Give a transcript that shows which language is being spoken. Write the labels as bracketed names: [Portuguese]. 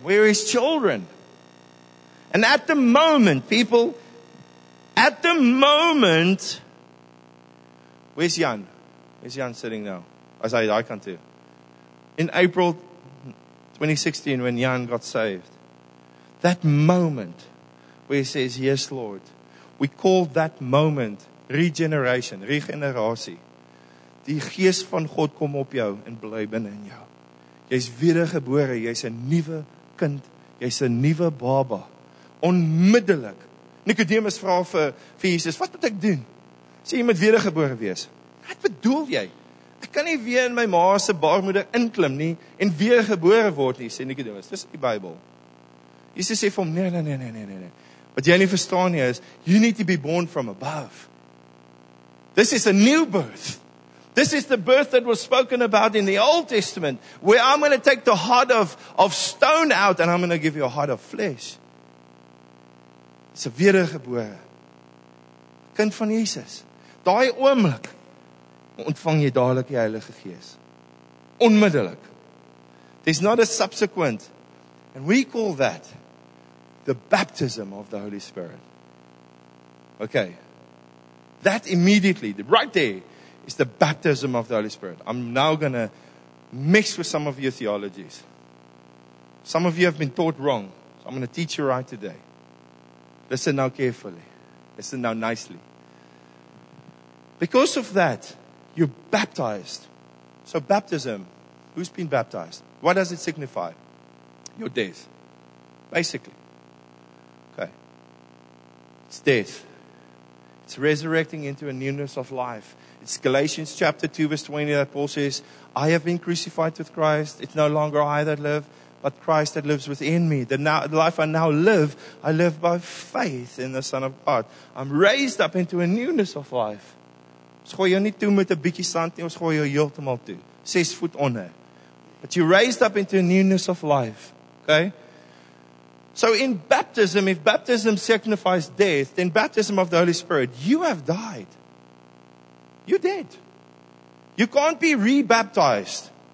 [English] We're his children. And at the moment, people, at the moment, where's Jan? Where's Jan sitting now? I can't do. In April 2016, when Jan got saved, that moment where he says, yes, Lord, we call that moment regeneration, regeneratie. [Afrikaans] Die Gees van God kom op jou en bly binne in jou. Jy's wedergebore, jy's 'n nuwe kind, jy's 'n nuwe baba. Onmiddellik. Nikodemus vra vir Jesus, "Wat moet ek doen?" Sê jy moet wedergebore wees. Wat bedoel jy? Ek kan nie weer in my ma se baarmoeder inklim nie en wedergebore word nie, sê Nikodemus. Dis die Bybel. Jesus sê vir hom, "Nee. Wat jy nie verstaan nie is, [English] you need to be born from above. This is a new birth. This is the birth that was spoken about in the Old Testament, where I'm going to take the heart of stone out and I'm going to give you a heart of flesh. It's a [Afrikaans] wedergebore. Kind van Jesus. Daai oomblik ontvang jy dadelik die Heilige Gees. Onmiddellik. [English] There's not a subsequent. And we call that the baptism of the Holy Spirit. Okay. That immediately, right there, it's the baptism of the Holy Spirit. I'm now going to mix with some of your theologies. Some of you have been taught wrong. So I'm going to teach you right today. Listen now carefully. Listen now nicely. Because of that, you're baptized. So baptism, who's been baptized? What does it signify? Your death. Basically. Okay. It's death. It's resurrecting into a newness of life. It's Galatians chapter 2 verse 20 that Paul says, I have been crucified with Christ. It's no longer I that live, but Christ that lives within me. The life I live by faith in the Son of God. I'm raised up into a newness of life. [Afrikaans] Ons gooi jou nie toe met 'n bietjie sand nie, ons gooi jou heeltemal toe. [English] 6 feet [Afrikaans] onder. [English] But you're raised up into a newness of life. Okay? So in baptism, if baptism signifies death, then baptism of the Holy Spirit, you have died. You're dead. You can't be rebaptized.